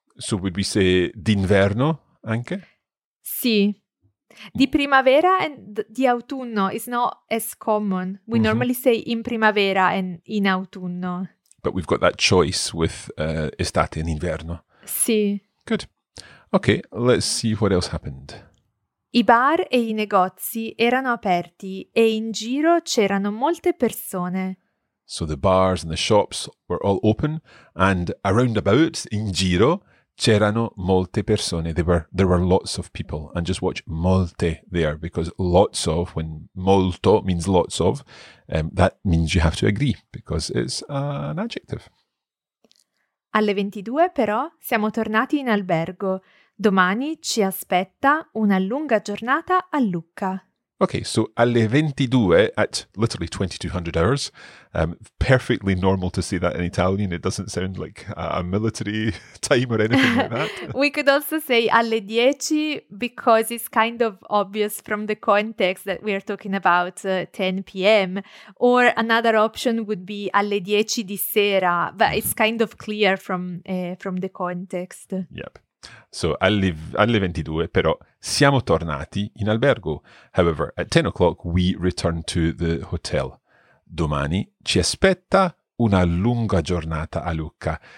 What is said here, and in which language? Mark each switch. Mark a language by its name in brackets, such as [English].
[English] So would we say [Italian] d'inverno anche? [English] Sì. Di primavera and di autunno is not as common. We normally say in primavera and in autunno. But we've got that choice with estate and inverno. [Italian] Sì. [English] Good. Okay, let's see what else happened. [Italian] I bar e i negozi erano aperti e in giro c'erano molte persone. [English] So the bars and the shops were all open and around about, in giro, [Italian] c'erano molte persone. [English] There were lots of people. And just watch molte there, because lots of, when molto means lots of, that means you have to agree, because it's an adjective. [Italian] Alle 22 però siamo tornati in albergo. Domani ci aspetta una lunga giornata a Lucca. [English] Okay, so alle 22, at literally 2200 hours, perfectly normal to say that in Italian. It doesn't sound like a military time or anything like that. We could also say alle 10 because it's kind of obvious from the context that we are talking about 10 p.m. Or another option would be alle 10 di sera, but it's kind of clear from the context. Yep. So, [Italian] alle 22, però, siamo tornati in albergo. [English] However, at 10 o'clock, we return to the hotel. [Italian] Domani ci aspetta una lunga giornata a Lucca.